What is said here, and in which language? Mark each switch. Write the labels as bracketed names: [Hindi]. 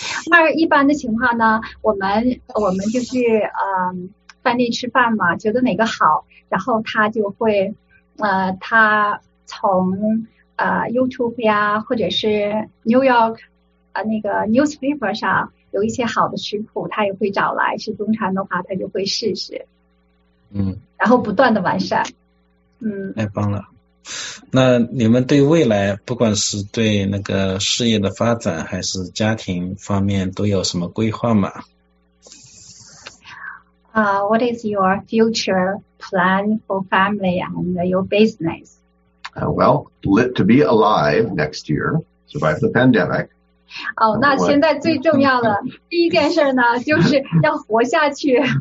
[Chinese] 那一般的情况呢，我们就是饭店吃饭嘛，觉得哪个好，然后他就会他从YouTube 呀，或者是 New York 那个 newspaper 上有一些好的食谱，他也会找来吃中餐的话，他就会试试，然后不断的完善，太棒了。那你们对未来，不管是对那个事业的发展，还是家庭方面，都有什么规划吗？ [English] What is your future plan for family and your business? Well, to be alive next year, survive the pandemic. [Chinese] 哦，那现在最重要的第一件事呢，就是要活下去。